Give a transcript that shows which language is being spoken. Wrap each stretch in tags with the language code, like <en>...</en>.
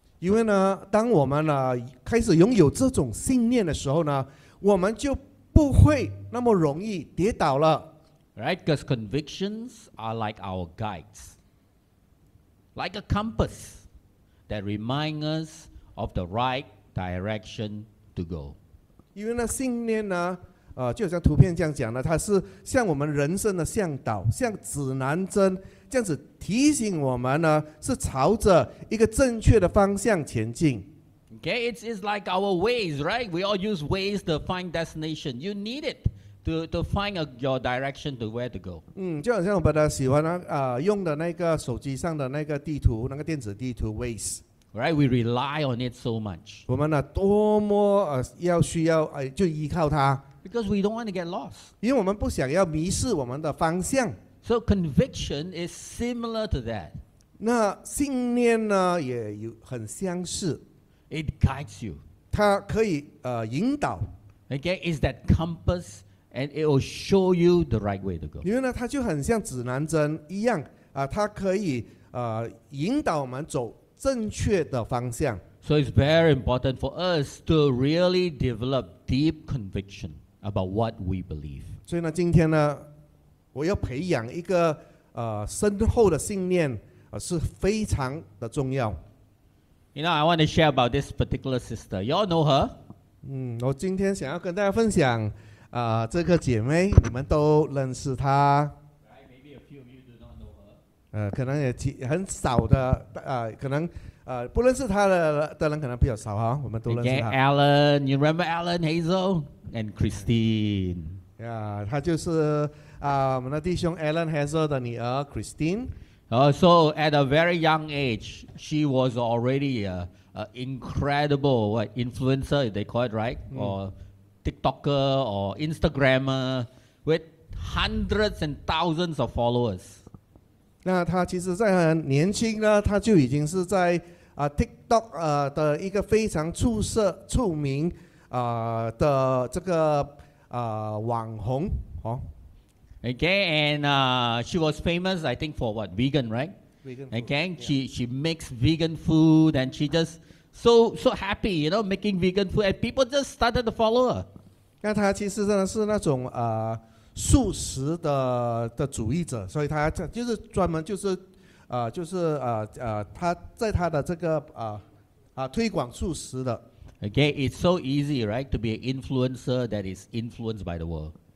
<zh>因为呢，当我们呢开始拥有这种信念的时候呢，我们就。不会那么容易跌倒了</zh> <en>，right? Because convictions are like our guides, like a compass that remind us of the right direction to go.</en> <zh>因为那信念呢，就好像图片这样讲的，它是像我们人生的向导，像指南针这样子提醒我们呢，是朝着一个正确的方向前进。</zh> <en>Okay, it's like our ways, right? We all use ways to find destination. You need it to find your direction to where to go.</en> <zh>就好像我们喜欢用的那个手机上的那个地图，那个电子地图 Waze.</zh> <en>Right, we rely on it so much.</en> <zh>我们多么要需要就依靠它。</zh> <en>Because we don't want to get lost.</en> <zh>因为我们不想要迷失我们的方向。</zh> <en>So conviction is similar to that.</en> <zh>那信念呢也有很相似。</zh> <en>It guides you.</en> <zh>它可以引导。</zh> <en>Okay, is that compass, and it will show you the right way to go.</en> <zh>因为呢，它就很像指南针一样它可以引导我们走正确的方向。</zh> <en>So it's very important for us to really develop deep conviction about what we believe.</en> <zh>所以呢，今天呢，我要培养一个深厚的信念，是非常的重要。</zh> <en>You know, I want to share about this particular sister. You all know her?</en> <zh>我今天想要跟大家分享这个姐妹，你们都认识她。可能也很少的可能不认识他的人可能比较少哈，我们都认识他。</zh> <en>Okay, Alan, you remember Alan, Hazel, and Christine?</en> <zh>Yeah, 他就是我们的弟兄 Alan Hazel 的女儿 Christine.</zh> <en>So at a very young age, she was already an incredible influencer, if they call it right, or TikToker or Instagrammer with hundreds and thousands of followers.</en> <zh>那他其实在很年轻呢，他就已经是在TikTok 的一个非常出名的这个网红哦。</zh> <en>Okay, and she was famous, I think, for what vegan, right? Vegan. Food, Again, she makes vegan food, and she just so happy, you know, making vegan food, and people just started to follow her.</en> <zh>那他其实真的是那种素食的主义者，所以他就是专门就是他在他的这个推广素食的。</zh> <en>Okay, it's so easy, right, to be an influencer that is influenced by the world.</en>